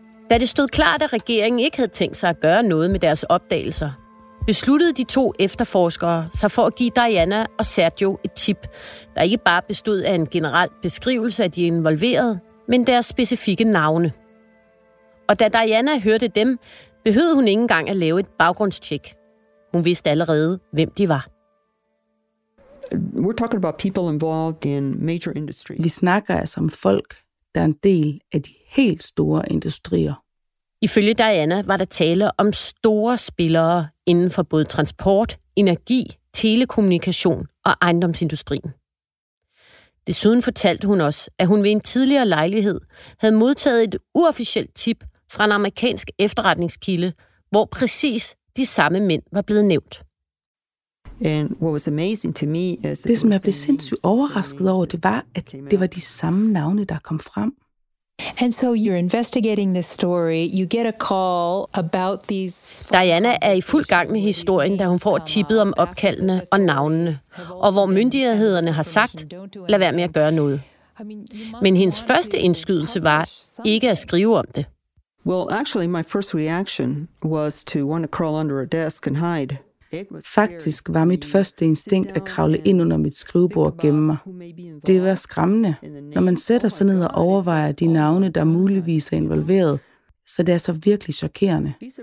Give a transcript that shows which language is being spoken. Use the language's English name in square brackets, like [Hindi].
[Danish] Da det stod klart, at regeringen ikke havde tænkt sig at gøre noget med deres opdagelser, besluttede de to efterforskere sig for at give Diana og Sergio et tip, der ikke bare bestod af en generel beskrivelse af de involverede, men deres specifikke navne. Og da Diana hørte dem, behøvede hun ikke engang at lave et baggrundstjek. Hun vidste allerede, hvem de var. [English] We're talking about people involved in major industries. [Danish] Vi snakker altså om folk, der er en del af de helt store industrier. Ifølge Diana var der tale om store spillere inden for både transport, energi, telekommunikation og ejendomsindustrien. Desuden fortalte hun også, at hun ved en tidligere lejlighed havde modtaget et uofficielt tip fra en amerikansk efterretningskilde, hvor præcis de samme mænd var blevet nævnt. [English] And what was amazing to me is [Danish] det, som jeg blev sindssygt overrasket over, det var, at det var de samme navne, der kom frem. [English] And so you're investigating this story, you get a call about these... [Danish] Diana er i fuld gang med historien, da hun får tippet om opkaldene og navnene, og hvor myndighederne har sagt, lad være med at gøre noget. Men hendes første indskydelse var ikke at skrive om det. [English] Well, actually, my first reaction was to want to crawl under a desk and hide. [Danish] Faktisk var mit første instinkt at kravle ind under mit skrivebord og gemme mig. Det var skræmmende, når man sætter sig ned og overvejer de navne, der muligvis er involveret, så det er så virkelig chokerende.